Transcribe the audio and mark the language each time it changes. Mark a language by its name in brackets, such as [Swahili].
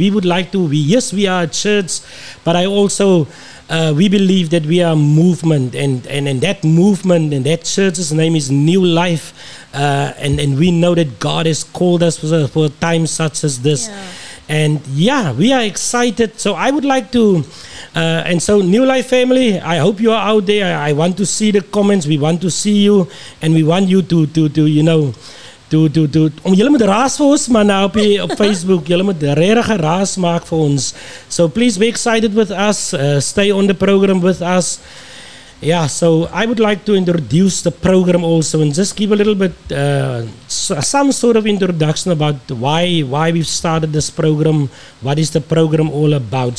[English] We would like to, we are a church, but I also, we believe that we are a movement, and that movement and that church's name is New Life, and we know that God has called us for times such as this. Yeah. And yeah, we are excited. So I would like to, and so New Life family, I hope you are out there. I want to see the comments. We want to see you, and we want you to, you know, Do. [Afrikaans] Jullie moeten raas voor ons, maar nou op Facebook. Jullie moeten rarige raas maken voor ons. [English] So please be excited with us. Stay on the program with us. Yeah, so I would like to introduce the program also and just give a little bit, some sort of introduction about why we've started this program, what is the program all about.